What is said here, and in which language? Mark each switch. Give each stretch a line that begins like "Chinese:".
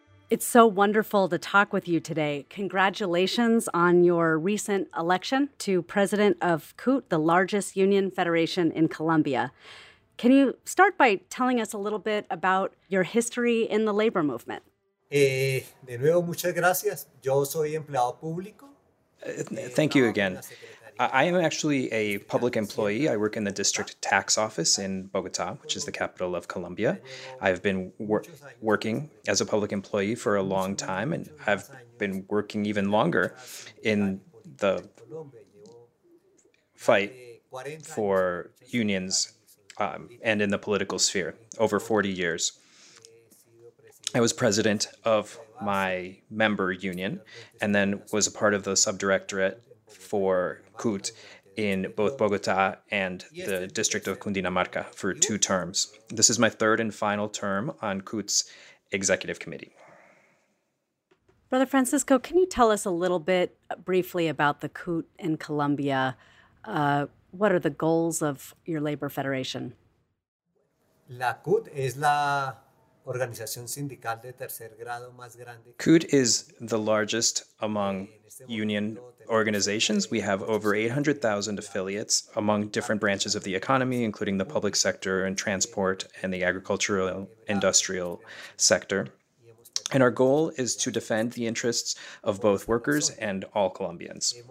English: It's so wonderful to talk with you today. Congratulations on your recent election to president of CUT, the largest union federation in Colombia. Can you start by telling us a little bit about your history in the labor movement?
Spanish: De nuevo, muchas gracias. Yo soy empleado público.
English: Thank you again. I am actually a public employee. I work in the district tax office in Bogota, which is the capital of Colombia. I've been working as a public employee for a long time, and I've been working even longer in the fight for unions and in the political sphere, over 40 years. I was president of my member union and then was a part of the subdirectorate for CUT in both Bogota and the district of Cundinamarca for 2 terms. This is my 3rd and final term on CUT's executive committee. Brother Francisco, can you tell us a little bit briefly about the CUT in Colombia? What are the goals of your labor federation?
Spanish: La CUT es la organización sindical de tercer grado más grande.
English: CUT is the largest among union organizations. We have over 800,000 affiliates among different branches of the economy, including the public sector and transport and the agricultural industrial sector. And our goal is to defend the interests of both workers and all Colombians.